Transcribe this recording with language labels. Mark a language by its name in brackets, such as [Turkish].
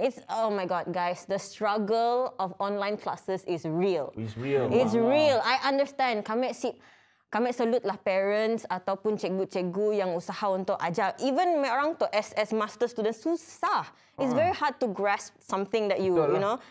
[English] It's oh my god guys, the struggle of online classes is real. It's real. I understand. [Malay] Kami salute lah parents ataupun cikgu-cikgu yang usaha untuk ajar. [English] Even [Malay] orang tu [English] as master student [Malay] susah. [English] It's very hard to grasp something that you know.